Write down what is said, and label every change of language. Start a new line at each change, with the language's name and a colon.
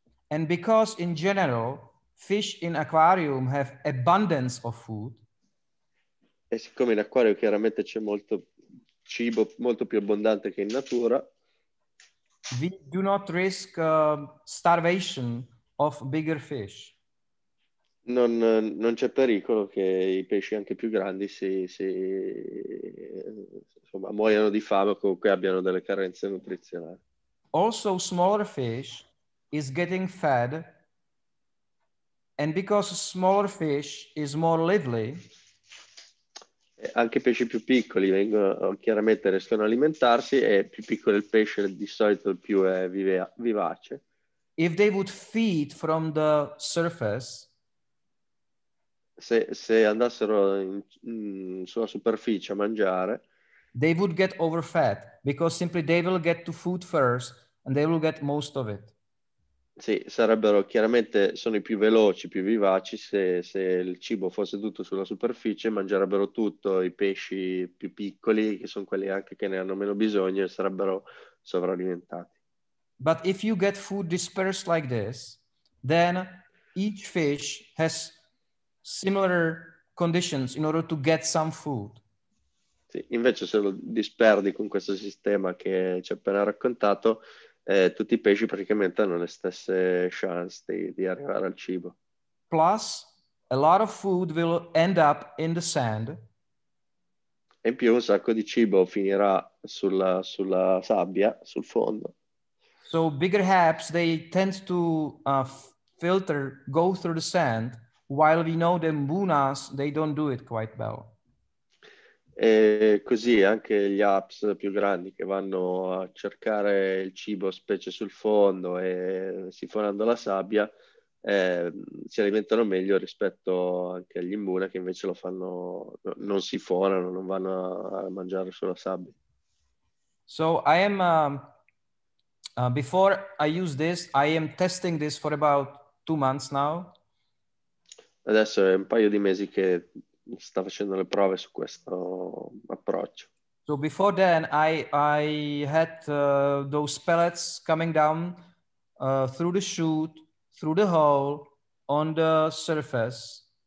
English: And because in general fish in aquarium have abundance of food.
Italian: E siccome in acquario chiaramente c'è molto cibo, molto più abbondante che in natura,
English: we do not risk starvation of bigger fish.
Italian: Non c'è pericolo che i pesci anche più grandi si insomma muoiano di fame o comunque abbiano delle carenze nutrizionali.
English: Also smaller fish is getting fed, and because smaller fish is more lively,
Italian: anche i pesci più piccoli vengono chiaramente riescono a alimentarsi, e più piccolo il pesce di solito più è vivace.
English: If they would feed from the surface,
Italian: se andassero sulla superficie a mangiare,
English: they would get overfed, because simply they will get to food first and they will get most of it.
Italian: Sì, sarebbero chiaramente, sono i più veloci, più vivaci, se il cibo fosse tutto sulla superficie, mangerebbero tutto, i pesci più piccoli, che sono quelli anche che ne hanno meno bisogno, e sarebbero sovralimentati.
English: But if you get food dispersed like this, then each fish has similar conditions in order to get some food.
Italian: Sì, invece se lo disperdi con questo sistema che ci ho appena raccontato, tutti i pesci praticamente hanno le stesse chance di arrivare al cibo.
English: Plus, a lot of food will end up in the sand.
Italian: E in più un sacco di cibo finirà sulla sabbia, sul fondo.
English: So bigger hubs, they tend to filter, go through the sand, while we know the mbunas, they don't do it quite well.
Italian: E così anche gli apps più grandi che vanno a cercare il cibo, specie sul fondo e sifonando la sabbia, si alimentano meglio rispetto anche agli imbuna che invece lo fanno, non sifonano, non vanno a mangiare sulla sabbia.
English: So I am, before I use this, I am testing this for about 2 months now.
Italian: Adesso è un paio di mesi che sta facendo le prove su questo approccio.
English: So before then I had those pellets coming down through the chute, through the hole, on the surface.